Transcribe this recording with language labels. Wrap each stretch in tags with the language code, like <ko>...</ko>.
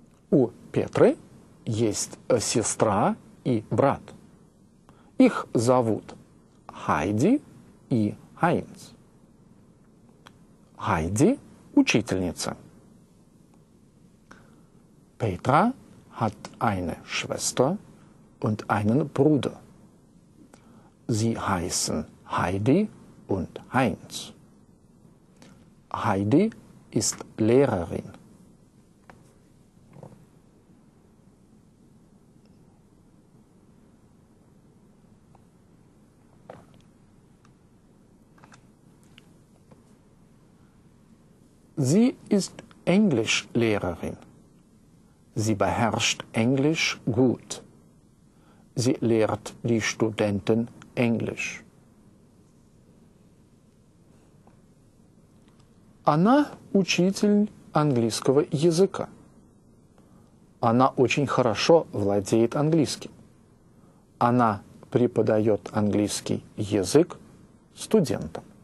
<ru>У Петры есть сестра и брат. Их зовут Heidi и Heinz. Heidi – учительница.</ru> <de>Petra hat eine Schwester und einen Bruder. Sie heißen Heidi und Heinz. Heidi ist Lehrerin. Sie ist Englischlehrerin. Sie beherrscht Englisch gut. Sie lehrt die Studenten Englisch.</de> <ru>Она учитель английского языка. Она очень хорошо владеет английским. Она преподает английский язык студентам.</ru>